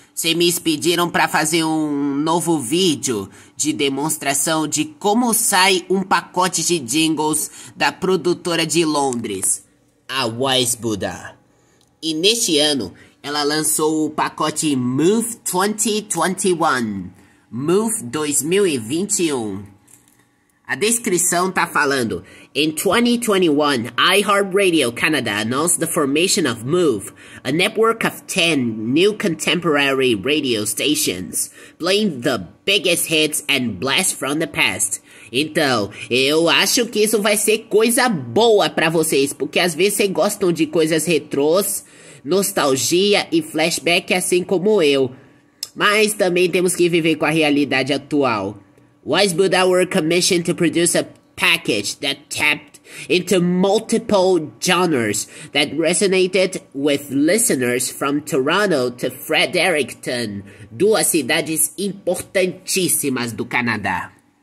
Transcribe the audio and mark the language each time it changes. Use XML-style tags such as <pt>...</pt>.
<pt>Vocês me pediram para fazer um novo vídeo de demonstração de como sai um pacote de jingles da produtora de Londres, a Wise Buddha. E neste ano, ela lançou o pacote Move 2021. Move 2021. A descrição tá falando:</pt> <en>In 2021, iHeartRadio Canada announced the formation of Move, a network of 10 new contemporary radio stations, playing the biggest hits and blasts from the past.</en> <pt>Então, eu acho que isso vai ser coisa boa pra vocês, porque às vezes vocês gostam de coisas retrôs, nostalgia e flashback, assim como eu. Mas também temos que viver com a realidade atual.</pt> <en>Wise Buddha were commissioned to produce a package that tapped into multiple genres that resonated with listeners from Toronto to Fredericton,</en> <pt>duas cidades importantíssimas do Canadá.</pt>